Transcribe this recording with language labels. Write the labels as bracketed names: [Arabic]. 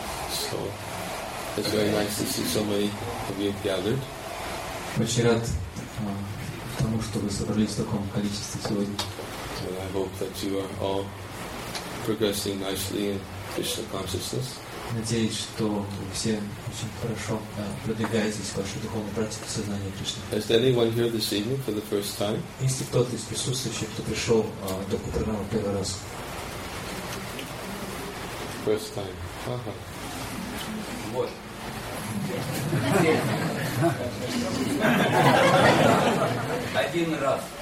[English] So it's very nice to see so many of you gathered. [Russian] Очень рад тому, что вы собрались в таком количестве сегодня. [English] And I hope that you are all progressing nicely in Krishna consciousness. [Russian] Надеюсь, что все очень хорошо продвигаетесь в вашей духовной практике сознания Кришны. [English] Is anyone here this evening for the first time? [Russian] Если кто-то из присутствующих, кто пришел только программу первый раз. [English] First time. [Russian] Один раз.